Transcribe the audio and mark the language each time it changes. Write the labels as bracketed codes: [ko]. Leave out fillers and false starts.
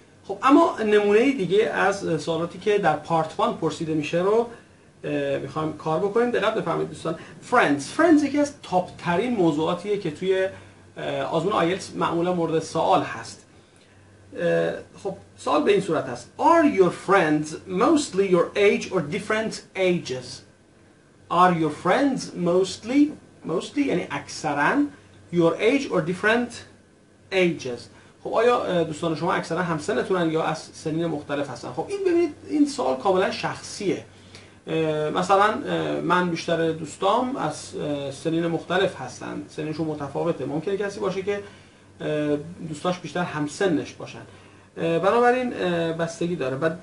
[fa] خب اما نمونه دیگه از سوالاتی که در پارت 1 پرسیده میشه رو میخوایم کار بکنیم. دقیق بفهمید دوستان. فرندز یکی از تاپ ترین موضوعاتیه که توی آزمون آیلتس معمولا مورد سوال هست. خب سوال به این صورت هست: [en] Are your friends mostly your age or different ages? Are your friends mostly [fa] یعنی اکثرا [en] your age or different ages؟ [fa] خب آیا دوستان شما اکثرا همسنتونن یا از سنین مختلف هستن؟ خب این ببینید این سوال کاملا شخصیه. مثلا من بیشتر دوستام از سنین مختلف هستن، سنینشون متفاوته، ممکنه کسی باشه که دوستاش بیشتر همسنش باشن، بنابراین بستگی داره.